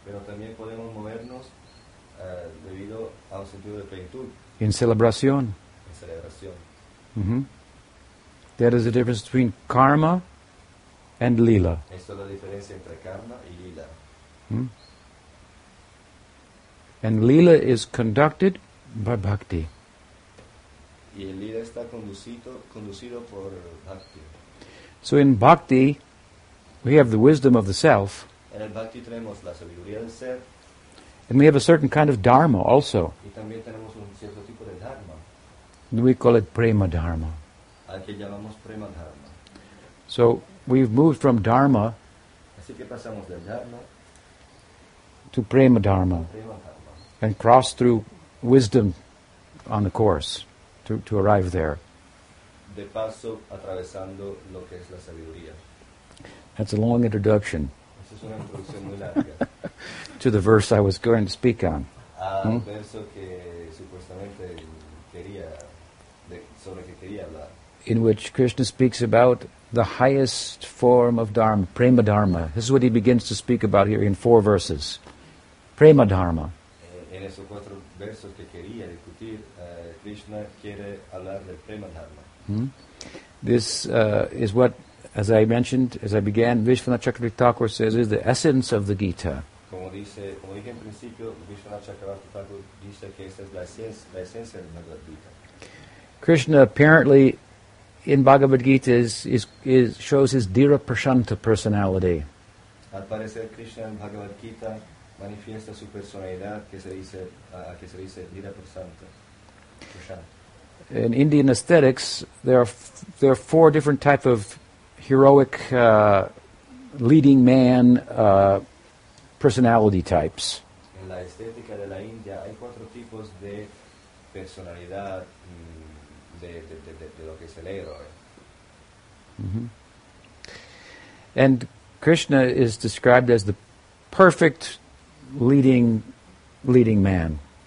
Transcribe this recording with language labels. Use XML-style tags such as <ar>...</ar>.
<es>Pero también podemos movernos debido a un sentido de plenitud. In celebración. En celebración. Mm-hmm.</es> <en>That is the difference between karma and lila.</en> <es>Esto es la diferencia entre karma y lila. Mm-hmm.</es> <en>And lila is conducted by bhakti.</en> <es>Y el lila está conducido por bhakti.</es> <en>So in bhakti, we have the wisdom of the self.</en> <es>En el bhakti tenemos la sabiduría del ser.</es> <en>And we have a certain kind of dharma also.</en> <es>Y también tenemos un cierto tipo de dharma.</es> <en>And we call it prema dharma.</en> <es>Al que llamamos prema dharma.</es> <en>So we've moved from dharma,</en> <es>así que pasamos del dharma</es> <en>to prema dharma.</en> <es>Prema dharma.</es> <en>And crossed through wisdom on the course to arrive there.</en> <es>De paso atravesando lo que es la sabiduría.</es> <en>That's a long introduction.</en> <es>Esa es una introducción muy larga.</es> <en>To the verse I was going to speak on.</en> <es>Verso que supuestamente quería, sobre que quería hablar.</es> <en>In which Krishna speaks about the highest form of dharma, prema dharma. This is what he begins to speak about here in four verses. Prema dharma.</en> <es>En esos cuatro versos que quería discutir, Krishna quiere hablar del prema dharma.</es> <en>This is what, as I mentioned, as I began, Visvanatha Chakravarti Thakur says is the essence of the Gita.</en> <es>Como dije en principio, Visvanatha Chakravarti Thakur dice que esa es la esencia de la Gita.</es> <en>Krishna apparently in Bhagavad Gita is shows his Dhira Prashanta personality.</en> <es>Al parecer Krishna en Bhagavad Gita manifiesta su personalidad que se dice Dhira Prashanta.</es> <en>In Indian aesthetics, there are four different types of heroic leading man personality types.</en> <es>En la estética de la India hay cuatro tipos de personalidad de lo que es el héroe. Mm-hmm.</es> <en>And Krishna is described as the perfect leading man.</en>